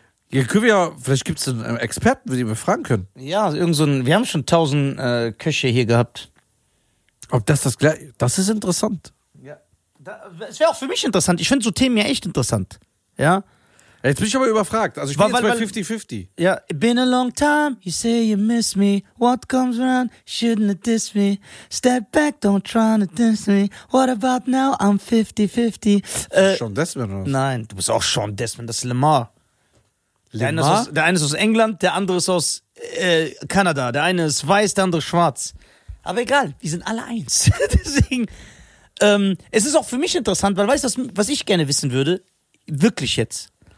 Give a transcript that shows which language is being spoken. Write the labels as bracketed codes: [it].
[de] Ja, können wir ja, vielleicht gibt es einen Experten, den wir fragen können. Ja, irgend so ein, wir haben schon 1000 Köche hier gehabt. Ob das gleich, das ist interessant. Ja, es wäre auch für mich interessant. Ich finde so Themen ja echt interessant. Ja. Jetzt bin ich aber überfragt. Also ich bin jetzt bei 50-50. [en] Ja, it been a long time, you say you miss me. What comes around, shouldn't it diss me? Step back, don't try to diss me. What about now, I'm 50-50. [de] Sean Desmond oder was? Nein, du bist auch Sean Desmond, das ist Lamar. Lamar? Der eine ist aus England, der andere ist aus Kanada. Der eine ist weiß, der andere schwarz. Aber egal, wir sind alle eins. Deswegen, es ist auch für mich interessant, weil weißt du, was ich gerne wissen würde? Wirklich jetzt.